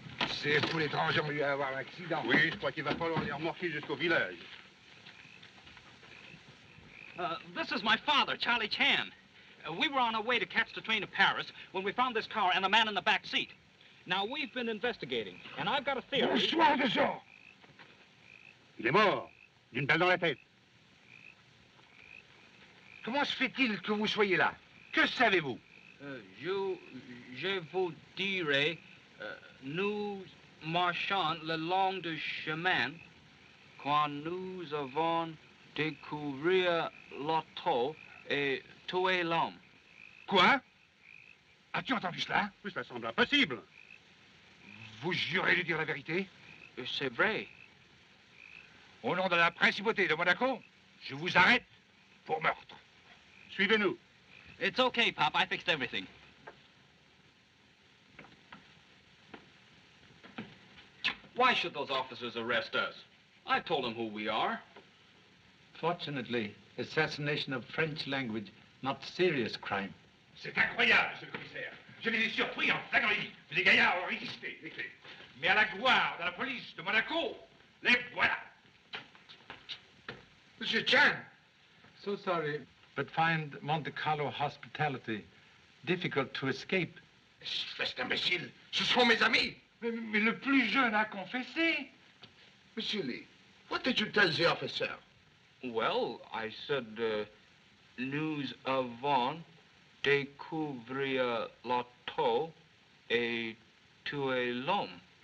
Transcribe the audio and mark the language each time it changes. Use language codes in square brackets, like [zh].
[fr] C'est pour l'étranger, on lui a eu un accident. Oui, je crois qu'il va falloir les remorquer jusqu'au village. [en] This is my father, Charlie Chan. We were on our way to catch the train to Paris when we found this car and a man in the back seat. Now, we've been investigating, and I've got a theory... [fr] Bonsoir, monsieur! Il est mort, d'une balle dans la tête. Comment se fait-il que vous soyez là? Que savez-vous? Je vous dirai, nous marchons le long du chemin quand nous avons découvert l'auto et tué l'homme. Quoi? As-tu entendu cela? Oui, ça semble impossible. Vous jurez de dire la vérité? C'est vrai. Au nom de la principauté de Monaco, je vous arrête pour meurtre. Suivez-nous. [en] It's okay, Pop. I fixed everything. Why should those officers arrest us? I told them who we are. Fortunately, assassination of French language, not serious crime. [fr] C'est incroyable, monsieur le commissaire. Je les ai surpris en flagrant délit. Mais les gaillards ont résisté. Mais à la gloire de la police de Monaco, les voilà. [en] Monsieur Chan. So sorry. But find Monte Carlo hospitality difficult to escape. [fr] Espèce d'imbécile, ce sont mes amis. Mais le plus jeune a confessé. [en] Monsieur Lee, what did you tell the officer? Well, I said, [fr] nous avons découvert l'auto et tué l'homme.